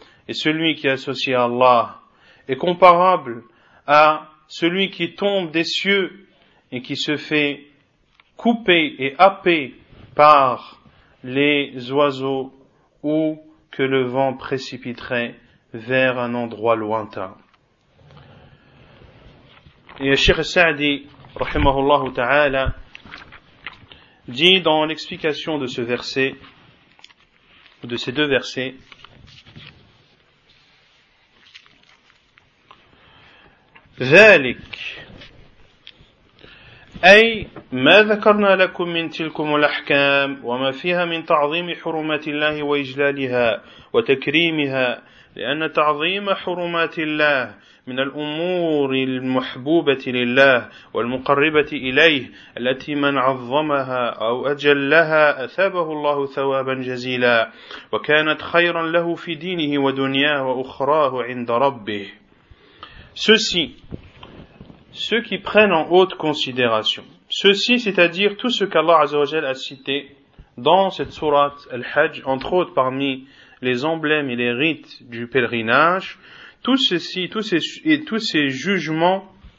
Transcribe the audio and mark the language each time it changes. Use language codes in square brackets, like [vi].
[fr] Et celui qui associe Allah est comparable à celui qui tombe des cieux et qui se fait couper et happer par les oiseaux ou que le vent précipiterait vers un endroit lointain. Et Cheikh Sa'di, rahimahullah ta'ala, dit dans l'explication de ce verset, de ces deux versets, [ar] ذلك أي ما ذكرنا لكم من تلكم الأحكام وما فيها من تعظيم حرمات الله وإجلالها وتكريمها, لأن تعظيم حرمات الله من الأمور المحبوبة لله والمقربة إليه التي من عظمها أو أجلها أثابه الله ثوابا جزيلا وكانت خيرا له في دينه ودنياه وأخراه عند ربه. [fr] Ceci, ceux qui prennent en haute considération, ceci, c'est-à-dire tout ce qu'Allah Azza wa Jalla a cité dans cette sourate Al-Hajj, entre autres parmi les emblèmes et les rites du pèlerinage, tous ces jugements,